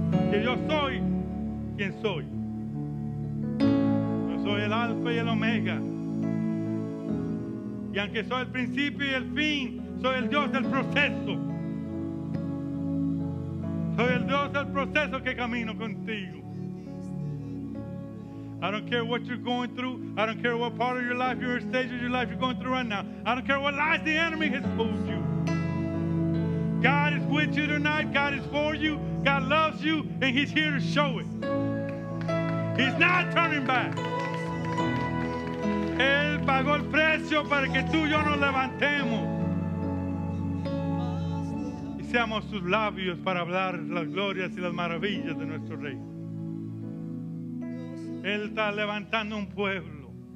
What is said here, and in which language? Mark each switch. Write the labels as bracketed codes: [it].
[es] Que yo soy quien soy. Yo soy el Alfa y el Omega. Y aunque soy el principio y el fin, soy el Dios del proceso. Soy el Dios del proceso que camino contigo. [en] I don't care what you're going through. I don't care what part of your life, your stage of your life you're going through right now. I don't care what lies the enemy has told you. God is with you tonight. God is for you. God loves you, and He's here to show it. He's not turning back. [es] Él pagó el precio para que tú y yo nos levantemos y seamos sus labios para hablar las glorias y las maravillas de nuestro Rey. Él está levantando un pueblo.